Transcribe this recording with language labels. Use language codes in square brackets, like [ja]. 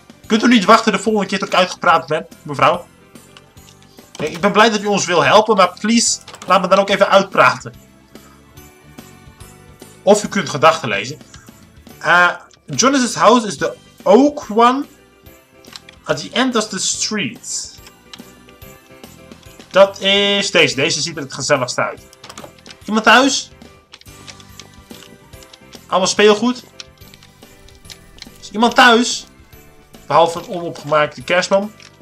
[nl] Kunt u niet wachten de volgende keer dat ik uitgepraat ben, mevrouw? Nee, ik ben blij dat u ons wil helpen, maar please, laat me dan ook even uitpraten. Of u kunt gedachten lezen. [en] Jonas's house is the oak one at the end of the street. [nl] Dat is deze. Deze ziet er het gezelligst uit. Iemand thuis? Allemaal speelgoed? Is iemand thuis? Behalve een onopgemaakte kerstboom.